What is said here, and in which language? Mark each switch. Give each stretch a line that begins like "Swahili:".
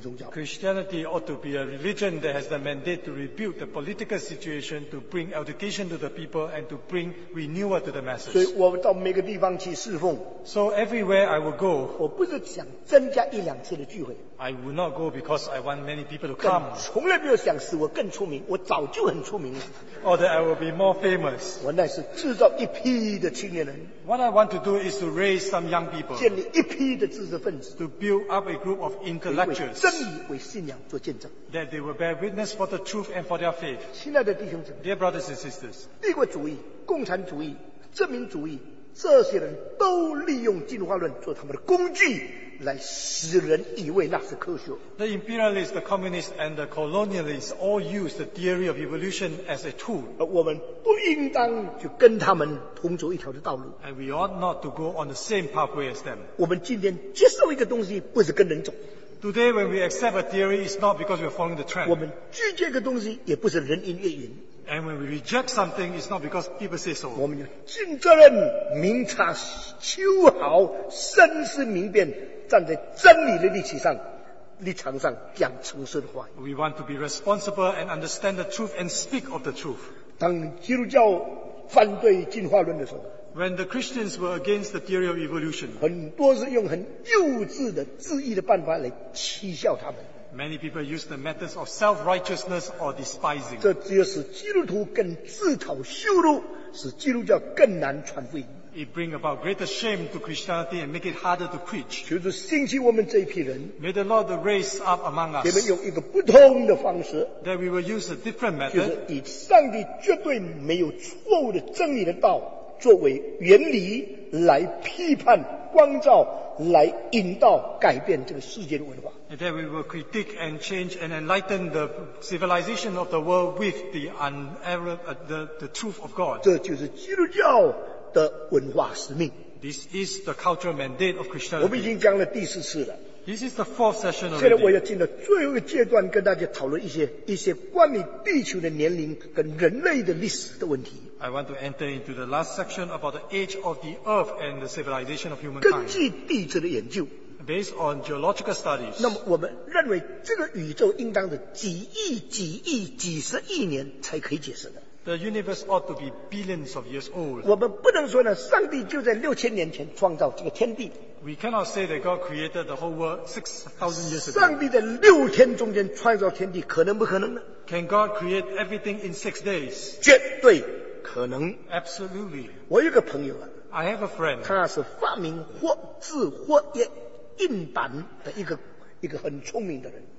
English: Christianity ought to be a religion that has the mandate to rebuild the political situation, to bring education to the people, and to bring renewal to the masses.
Chinese: 所以我到每个地方去侍奉。
English: So everywhere I will go,
Chinese: 我不是想增加一两次的聚会。
English: I will not go because I want many people to come.
Chinese: 从来没有想使我更出名，我早就很出名了。
English: Or that I will be more famous.
Chinese: 我乃是制造一批的青年人。
English: What I want to do is to raise some young people.
Chinese: 建立一批的知识分子。
English: To build up a group of intellectuals.
Chinese: 为真理、为信仰做见证。
English: That they will bear witness for the truth and for their faith.
Chinese: 亲爱的弟兄姊妹。
English: Dear brothers and sisters.
Chinese: 帝国主义、共产主义、殖民主义，这些人都利用进化论做他们的工具，来使人以为那是科学。
English: The imperialists, the communists, and the colonialists all use the theory of evolution as a tool.
Chinese: 而我们不应当就跟他们同走一条的道路。
English: And we ought not to go on the same pathway as them.
Chinese: 我们今天接受一个东西，不是跟人走。
English: Today, when we accept a theory, it's not because we're following the trend.
Chinese: 我们拒绝一个东西，也不是人云亦云。
English: And when we reject something, it's not because people say so.
Chinese: 我们要尽责任，明察秋毫，深思明辨。站在真理的立场上讲诚实的话。
English: We want to be responsible and understand the truth and speak of the truth.
Chinese: 当基督教反对进化论的时候，
English: When the Christians were against the theory of evolution,
Chinese: 很多是用很幼稚的自义的办法来讥笑他们。
English: Many people use the methods of self-righteousness or despising.
Chinese: 这只有使基督徒更自讨羞辱，使基督教更难传福音。
English: It bring about greater shame to Christianity and make it harder to preach.
Chinese: 求主兴起我们这一批人。
English: May the Lord raise up among us.
Chinese: 给我们用一个不同的方式。
English: That we will use a different method.
Chinese: 就是以上帝绝对没有错误的真理的道作为原理来批判光照来引导改变这个世界的文化。
English: And that we will critique and change and enlighten the civilization of the world with the unerring, the truth of God.
Chinese: 这就是基督教的文化使命。
English: This is the cultural mandate of Christianity.
Chinese: 我们已经讲了第四次了。
English: This is the fourth session of the day.
Chinese: 现在我要进到最后一个阶段，跟大家讨论一些关于地球的年龄跟人类的历史的问题。
English: I want to enter into the last section about the age of the earth and the civilization of humankind.
Chinese: 根据地质的研究
English: ，based on geological studies.
Chinese: 那么我们认为这个宇宙应当是几亿、几亿、几十亿年才可以解释的。
English: The universe ought to be billions of years old.
Chinese: 我们不能说呢，上帝就在六千年前创造这个天地。
English: We cannot say that God created the whole world 6,000 years ago.
Chinese: 上帝在六天中间创造天地，可能不可能呢
English: ？Can God create everything in 6 days?
Chinese: 绝对可能。
English: Absolutely.
Chinese: 我有个朋友啊
English: ，I have a friend.
Chinese: 他是发明或字或印版的一个很聪明的人。